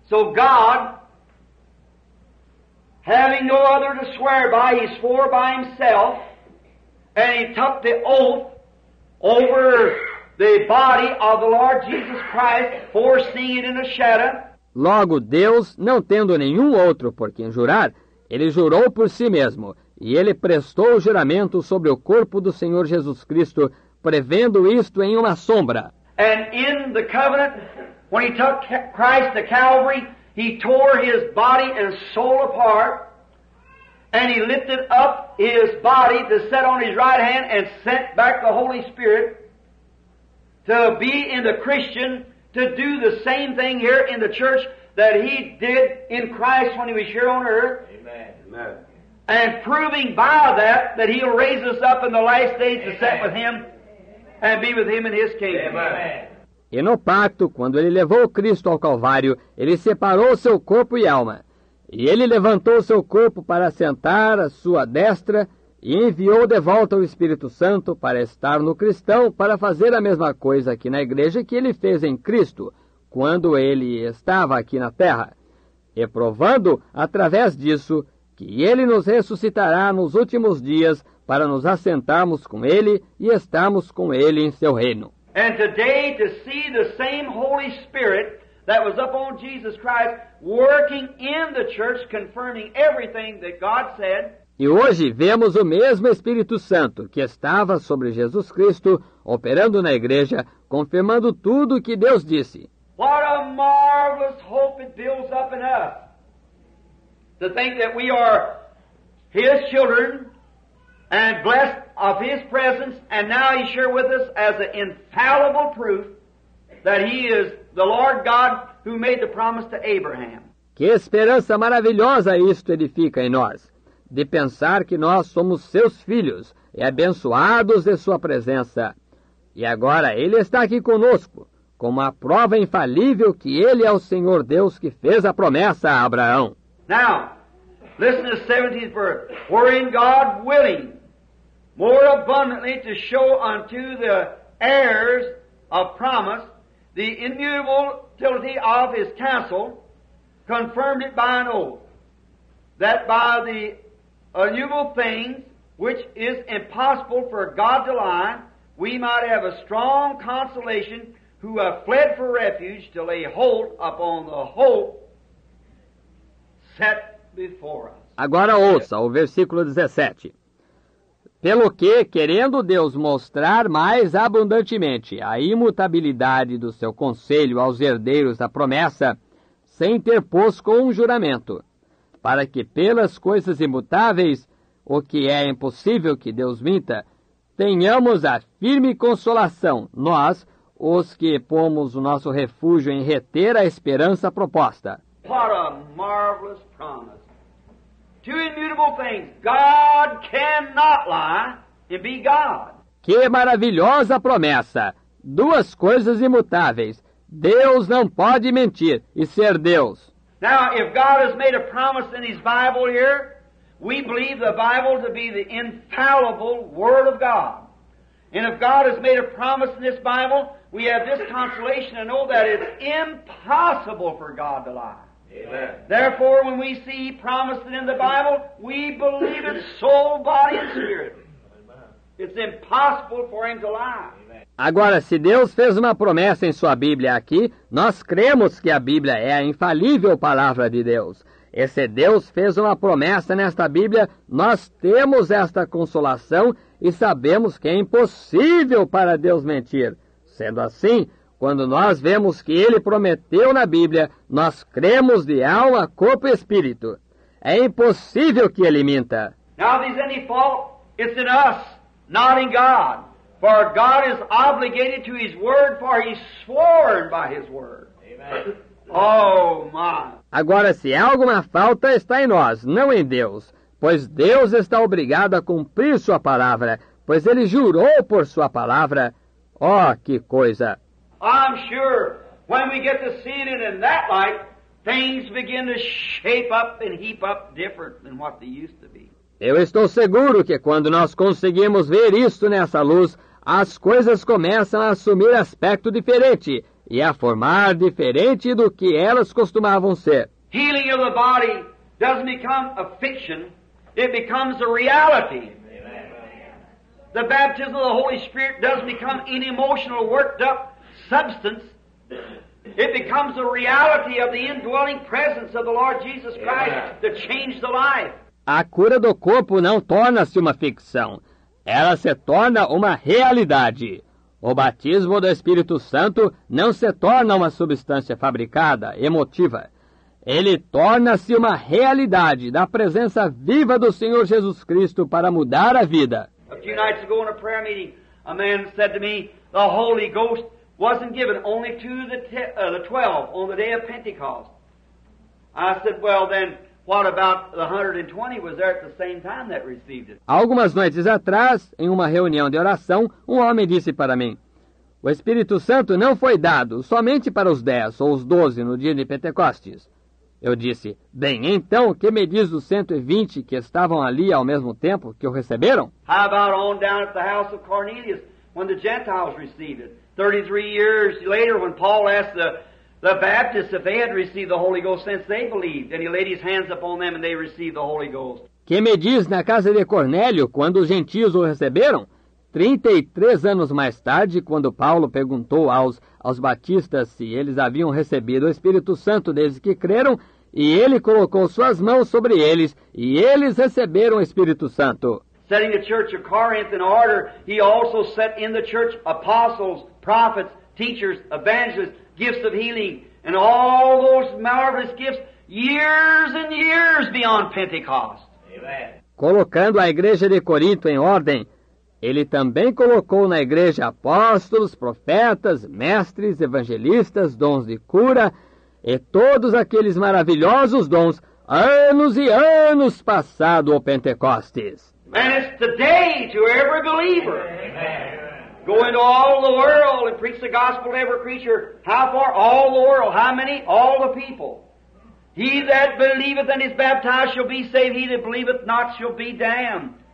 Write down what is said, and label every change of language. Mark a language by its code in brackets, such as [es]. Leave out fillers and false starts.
[en] So God, having no other to swear by, he swore by himself, and he took the oath over the body of the Lord Jesus Christ, foreseeing it in a shadow. [pt] Logo, Deus, não tendo nenhum outro por quem jurar, ele jurou por si mesmo, e ele prestou o juramento sobre o corpo do Senhor Jesus Cristo, prevendo isto em uma sombra. [en] And in the covenant, when he took Christ to Calvary, he tore his body and soul apart, and he lifted up his body to sit on his right hand and sent back the Holy Spirit to be in the Christian, to do the same thing here in the church that he did in Christ when he was here on earth. Amen. And proving by that he'll raise us up in the last days to sit with him and be with him in his kingdom. Amen. [pt] E no pacto, quando ele levou Cristo ao Calvário, ele separou seu corpo e alma. E ele levantou seu corpo para sentar à sua destra e enviou de volta o Espírito Santo para estar no cristão, para fazer a mesma coisa aqui na igreja que ele fez em Cristo, quando ele estava aqui na terra. E provando, através disso, que ele nos ressuscitará nos últimos dias para nos assentarmos com ele e estarmos com ele em seu reino. [en] And today to see the same Holy Spirit that was upon Jesus Christ working in the church, confirming everything that God said. [pt] E hoje vemos o mesmo Espírito Santo que estava sobre Jesus Cristo operando na igreja, confirmando tudo o que Deus disse. [en] What a marvelous hope it builds up in us to think that we are His children and blessed of his presence, and now he's here with us as an infallible proof that he is the Lord God who made the promise to Abraham. [pt] Que esperança maravilhosa isto edifica em nós, de pensar que nós somos seus filhos e abençoados de sua presença. E agora ele está aqui conosco, como a prova infalível que ele é o Senhor Deus que fez a promessa a Abraão. [en] Now, listen to the 17th verse. Wherein God willing, more abundantly to show unto the heirs of promise the immutable utility of his counsel, confirmed it by an oath, that by the innumerable things which is impossible for God to lie, we might have a strong consolation who have fled for refuge to lay hold upon the hope set before us. [pt] Agora ouça o versículo 17. Pelo que, querendo Deus mostrar mais abundantemente a imutabilidade do seu conselho aos herdeiros da promessa, se interpôs com um juramento, para que pelas coisas imutáveis, o que é impossível que Deus minta, tenhamos a firme consolação, nós, os que pomos o nosso refúgio em reter a esperança proposta. [en] What a marvelous promise. Two immutable things. God cannot lie and be God. [pt] Que maravilhosa promessa! Duas coisas imutáveis. Deus não pode mentir e ser Deus. [en] Now, if God has made a promise in His Bible here, we believe the Bible to be the infallible Word of God. And if God has made a promise in this Bible, we have this consolation to know that it's impossible for God to lie. Amen. Therefore, when we see promised in the Bible, we believe it soul, body, and spirit. It's impossible for him to lie. [pt] Agora, se Deus fez uma promessa em sua Bíblia aqui, nós cremos que a Bíblia é a infalível palavra de Deus. E se Deus fez uma promessa nesta Bíblia, nós temos esta consolação e sabemos que é impossível para Deus mentir. Sendo assim, quando nós vemos que Ele prometeu na Bíblia, nós cremos de alma, corpo e espírito. É impossível que Ele minta. [en] Now, if there's any fault, it's in us, not in God. For God is obligated to His Word, for He's sworn by His Word. Amen. Oh, my. [pt] Agora, se alguma falta, está em nós, não em Deus. Pois Deus está obrigado a cumprir Sua palavra, pois Ele jurou por Sua palavra. Oh, que coisa! [en] I'm sure when we get to see it in that light, things begin to shape up and heap up different than what they used to be. [pt] Eu estou seguro que quando nós conseguimos ver isto nessa luz, as coisas começam a assumir aspecto diferente e a formar diferente do que elas costumavam ser. [en] Healing of the body doesn't become a fiction, it becomes a reality. Amen. The baptism of the Holy Spirit doesn't become an emotional worked up substance, it becomes a reality of the indwelling presence of the Lord Jesus Christ. Amen. To change the life. [pt] A cura do corpo não torna-se uma ficção. Ela se torna uma realidade. O batismo do Espírito Santo não se torna uma substância fabricada, emotiva. Ele torna-se uma realidade da presença viva do Senhor Jesus Cristo para mudar a vida. [en] A few nights ago in a prayer meeting, a man said to me, the Holy Ghost wasn't given only to the twelve on the day of Pentecost. I said, well then, what about the 120 was there at the same time that received it? [pt] Algumas noites atrás, em uma reunião de oração, um homem disse para mim, o Espírito Santo não foi dado somente para os 10 ou os 12 no dia de Pentecostes. Eu disse, bem, então, o que me diz dos 120 que estavam ali ao mesmo tempo que o receberam? [en] How about on down at the house of Cornelius, when the Gentiles received it? 33 years later, when Paul asked the Baptists, if they had received the Holy Ghost since they believed, and he laid his hands upon them and they received the Holy Ghost. [pt] Que me diz na casa de Cornélio, quando os gentios o receberam? 33 anos mais tarde, quando Paulo perguntou aos batistas se eles haviam recebido o Espírito Santo desde que creram, e ele colocou suas mãos sobre eles, e eles receberam o Espírito Santo. [en] Setting the church of Corinth in order, he also set in the church apostles, prophets, teachers, evangelists, gifts of healing, and all those marvelous gifts years and years beyond Pentecost. Amen. [pt] Colocando a igreja de Corinto em ordem, ele também colocou na igreja apóstolos, profetas, mestres, evangelistas, dons de cura, e todos aqueles maravilhosos dons anos e anos passado o Pentecostes. [en] And it's today to every believer. Amen. Go into all the world and preach the gospel to every creature. How far? All the world. How many? All the people. He that believeth and is baptized shall be saved. He that believeth not shall be damned.